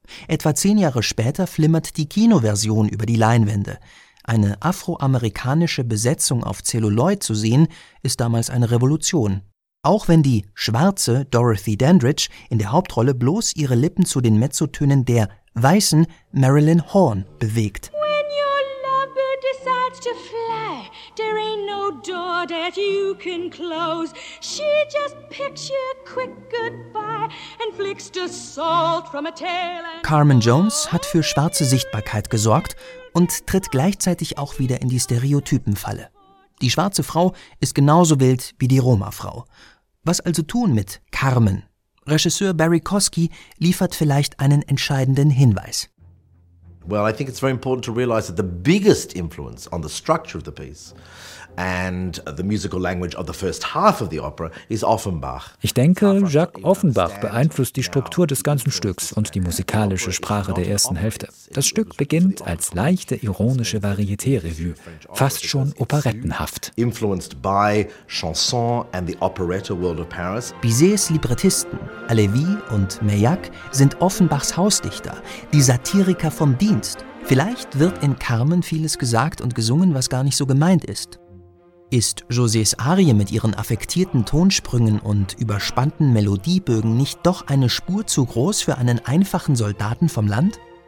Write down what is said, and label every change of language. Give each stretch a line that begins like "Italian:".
German: Etwa 10 Jahre später flimmert die Kinoversion über die Leinwände. Eine afroamerikanische Besetzung auf Zelluloid zu sehen, ist damals eine Revolution. Auch wenn die schwarze Dorothy Dandridge in der Hauptrolle bloß ihre Lippen zu den Mezzotönen der weißen Marilyn Horne bewegt.
English: When your lover decides to fly, there ain't no door that you can close. She just picks you a quick goodbye and flicks the salt from a tail.
German: Carmen Jones hat für schwarze Sichtbarkeit gesorgt und tritt gleichzeitig auch wieder in die Stereotypenfalle. Die schwarze Frau ist genauso wild wie die Roma-Frau. Was also tun mit Carmen? Regisseur Barry Kosky liefert vielleicht einen entscheidenden Hinweis.
English: Well, I think it's very important to realize that the biggest influence on the structure of the piece and the musical language of the first half of the opera is Offenbach.
German: Ich denke, Jacques Offenbach beeinflusst die Struktur des ganzen Stücks und die musikalische Sprache der ersten Hälfte. Das Stück beginnt als leichte ironische Varieté-Revue, fast schon operettenhaft.
English: Influenced by chanson and the operetta world of Paris.
German: Bizets Librettisten, Alévi und Meillac, sind Offenbachs Hausdichter, die Satiriker vom Dienst. Vielleicht wird in Carmen vieles gesagt und gesungen, was gar nicht so gemeint ist. Ist Josés Arie mit ihren affektierten Tonsprüngen und überspannten Melodiebögen nicht doch eine Spur zu groß für einen einfachen Soldaten vom Land?